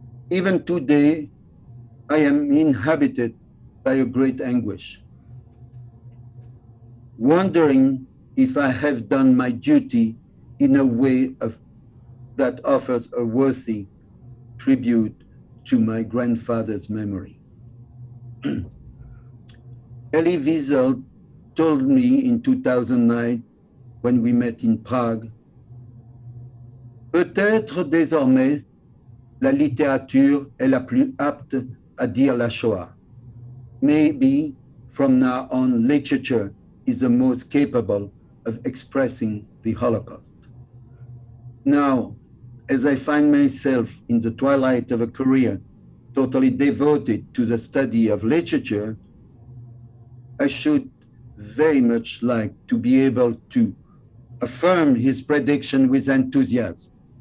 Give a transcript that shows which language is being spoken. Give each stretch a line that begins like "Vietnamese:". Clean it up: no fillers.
English: Even today, I am inhabited by a great anguish, wondering if I have done my duty in a way of that offers a worthy tribute to my grandfather's memory. Elie Wiesel told me in 2009, when we met in Prague,
French: peut-être désormais la littérature est la plus apte à dire la Shoah.
English: Maybe from now on, literature is the most capable of expressing the Holocaust. Now, as I find myself in the twilight of a career totally devoted to the study of literature, I should very much like to be able to affirm his prediction with enthusiasm.